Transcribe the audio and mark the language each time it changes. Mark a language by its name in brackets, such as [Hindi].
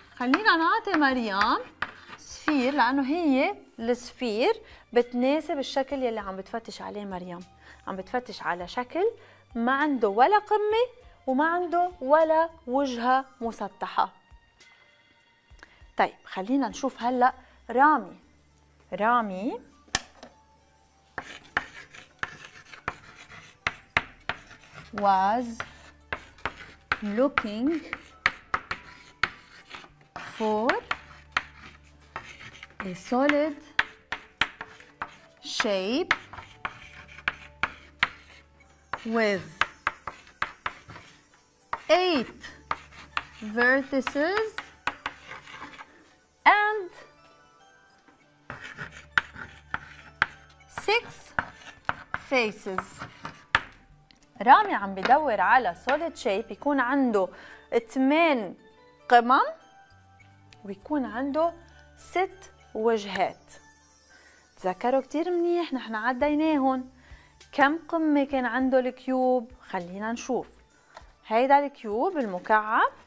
[Arabic] خلينا نعطي مريم سفير لأنه هي السفير بتناسب الشكل يلي عم بتفتش عليه مريم. عم بتفتش على شكل ما عنده ولا قمة وما عنده ولا وجهة مسطحة. طيب خلينا نشوف هلأ رامي. [English] Rami was looking for a solid shape with eight vertices and six faces. [Arabic] رامي عم بدور على solid shape يكون عنده 8 قمم ويكون عنده 6 وجهات. تذكروا كتير منيح نحن عديناهن. كم قمة كان عنده الكيوب؟ خلينا نشوف هيدا الكيوب المكعب.